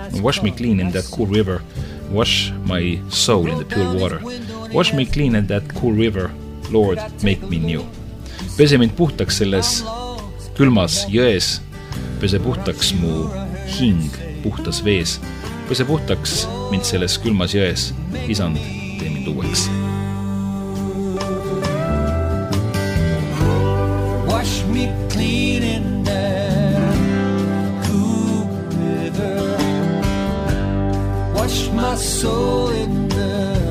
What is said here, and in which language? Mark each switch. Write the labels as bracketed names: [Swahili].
[English] Wash me clean in that cool river, wash my soul in the pure water. Wash me clean in that cool river, Lord, make me new. [Estonian] Pese mind puhtaks selles külmas jões, pese puhtaks mu hing puhtas vees, pese puhtaks mind selles külmas jões, isand, tee mind uueks. [English] Wash me clean in the cool river, wash my soul in the